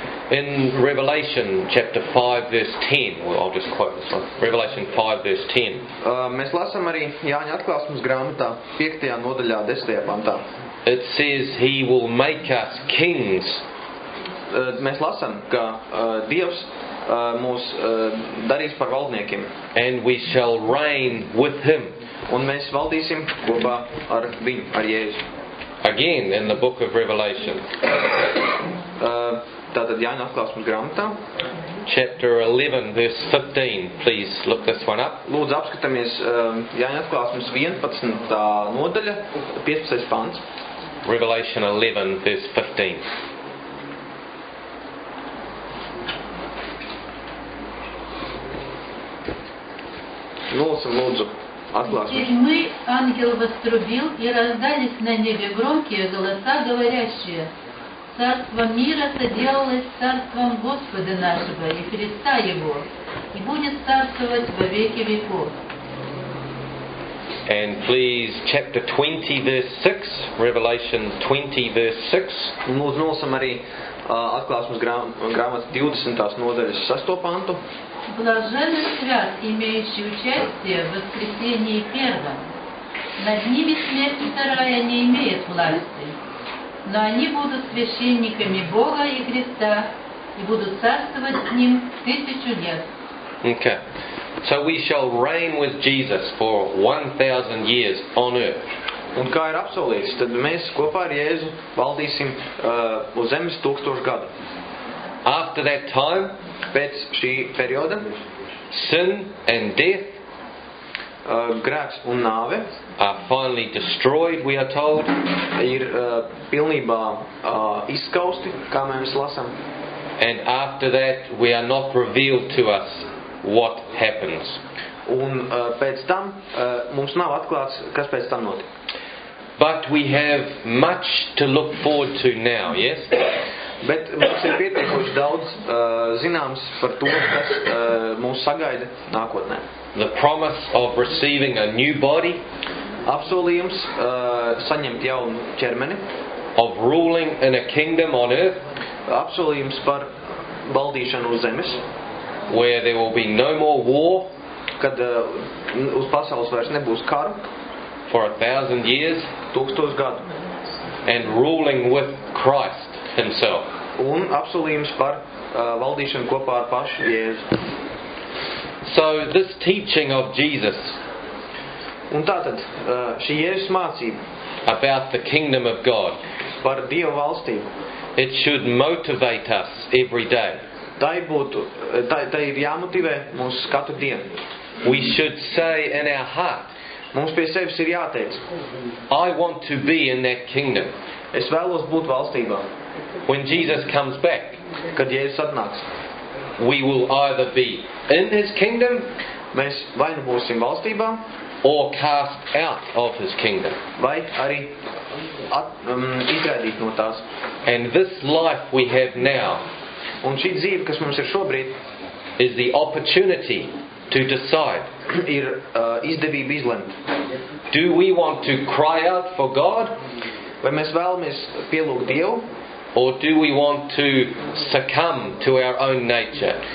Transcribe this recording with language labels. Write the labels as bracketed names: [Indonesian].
[English] In Revelation chapter 5 verse 10, well, I'll just quote this one. Revelation 5 verse 10. [Latvian] Mēs lasam arī Jāņa atklāsmes grāmatā 5. Nodaļā 10. Pantā. [English] It says he will make us kings. [Latvian] Mēs lasam, ka Dievs mūs darīs par valdniekiem. [English] And we shall reign with him. [Latvian] Un mēs valdīsim kopā ar viņu, ar Jēzu. [English] Again in the book of Revelation. [Latvian] Tātad Jāņa atklāsmes grāmatā. [English] Chapter 11 verse 15. Please look this one up. [Latvian] Lūdzu apskatamies Jāņa atklāsmes 11. Nodaļa, 15. Pants. [English] Revelation 11 verse 15. [Latvian] Nolasim, lūdzu, [Russian] отгласим. И мы, ангел вострубил, и раздались на небе громкие голоса, говорящие: «Царство мира соделалось царством Господа нашего и Христа Его, и будет царствовать во веки веков». [English] And please, chapter 20, verse 6, Revelation 20, verse 6. [Latvian] Лūdzу, nolasim arī atklāsmes grāmatas 20. Nodaļas 6. Pantu. [Russian] Блаженны свят, имеющий участие в воскресении первом. Над ними смерть вторая не имеет власти, но они будут священниками Бога и Христа и будут царствовать с ним 1000 лет. [English] Okay. So we shall reign with Jesus for 1000 years on earth. [Latvian] Un kā ir apsolīts, tad mēs kopā ar Jēzu valdīsim uz zemes 1000 gadu. [English] After that time, [Latvian] pēc šī perioda, [English] sin and death, [Latvian] grēks un nāve, [English] are finally destroyed, we are told, [Latvian] ir pilnībā izskausti, kā mēs lasam. [English] And after that, we are not revealed to us what happens. [Latvian] Un pēc tam mums nav atklāts, kas pēc tam notiek. [English] But we have much to look forward to now, yes? [Latvian] Bet mums ir pietiekoši daudz zināms par to, kas mūs sagaida nākotnē. [English] The promise of receiving a new body. [Latvian] Apsolījums saņemt jaunu ķermeni. [English] Of ruling in a kingdom on earth. [Latvian] Apsolījums par valdīšanu uz zemes. [English] Where there will be no more war. [Latvian] Kad uz pasaules vairs nebūs karu. [English] For 1000 years, [Latvian] 1000 gadu, [English] and ruling with Christ himself. [Latvian] Un apsolījums par valdīšanu kopā ar pašu Jēzu. [English] So this teaching of Jesus. [Latvian] Un tātad šī Jēzus mācība [English] about the kingdom of God. [Latvian] Par Dieva valstību. [English] It should motivate us every day. [Latvian] Tai ir jāmotivē mums katru dienu. [English] We should say in our heart. [Latvian] Mums pie sevis ir jāteic. [English] I want to be in that kingdom. [Latvian] Es vēlos būt valstībā. [English] When Jesus comes back, [Latvian] kad Jēzus atnāks, [English] we will either be in his kingdom, [Latvian] mēs vai nu būsim valstībā, [English] or cast out of his kingdom. [Latvian] Vai arī izraidīt no tās. [English] And this life we have now, [Latvian] un šī dzīve, kas mums ir šobrīd, [English] is the opportunity to decide. [Latvian] Ir izdevība izlemt. [English] Do we want to cry out for God? [Latvian] Vai mēs vēlamies pielūgt Dievu? [English] Or do we want to succumb to our own nature?